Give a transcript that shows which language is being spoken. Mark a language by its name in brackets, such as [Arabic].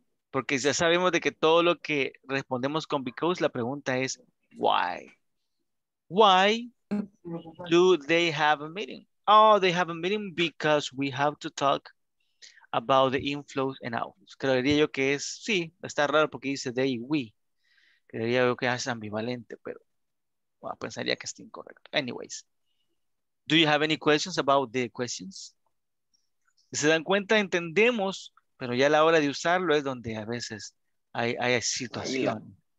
[Spanish] Porque ya sabemos de que todo lo que respondemos con because, la pregunta es why. [English] Why do they have a meeting? Oh, they have a meeting because we have to talk about the inflows and outflows. [Spanish] Creería yo que es, sí, está raro porque dice they, we. Creería yo que es ambivalente, pero bueno, pensaría que está incorrecto. [English] Anyways, do you have any questions about the questions? [Spanish] ¿Se dan cuenta? Entendemos. Pero ya a la hora de usarlo es donde a veces hay situación.